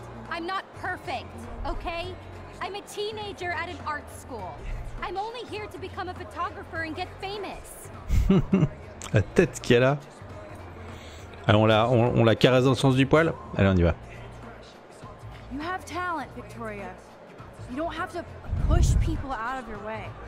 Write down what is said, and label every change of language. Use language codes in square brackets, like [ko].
[en] I'm not perfect, okay? I'm a teenager at an art school. I'm only here to become a photographer and get famous. [fr] La tête qu'elle a. Alors on la caresse dans le sens du poil. Allez, on y va. [en] You have talent, Victoria. You don't have to push people out of your way.